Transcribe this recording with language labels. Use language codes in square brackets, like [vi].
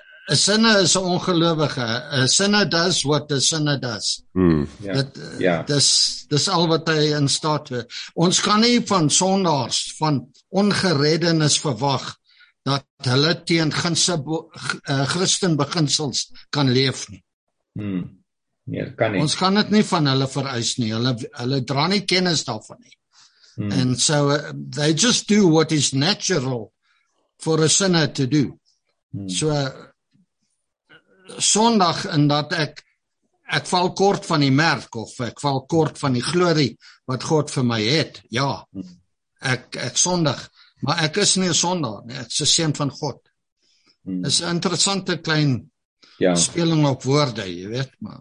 [en] A sinner is [af] een ongelovige. [en] A sinner does what a sinner does. [af] Dit is al wat hy in staat is. Ons kan nie van sondaars, van ongereddenis verwag, dat hulle teen Christenbeginsels kan leef nie. Nee, kan nie. Ons kan dit nie van hulle vereis nie. Hulle dra nie kennis daarvan nie. [en] And so they just do what is natural for a sinner to do. [af] So Sondag in dat ek val kort van die merk of ek val kort van die glorie wat God vir my het. Ja. Ek sondig, maar ek is nie 'n sondaar nie. Ek is 'n seun van God. Is 'n interessante klein speling op woorde, jy weet maar.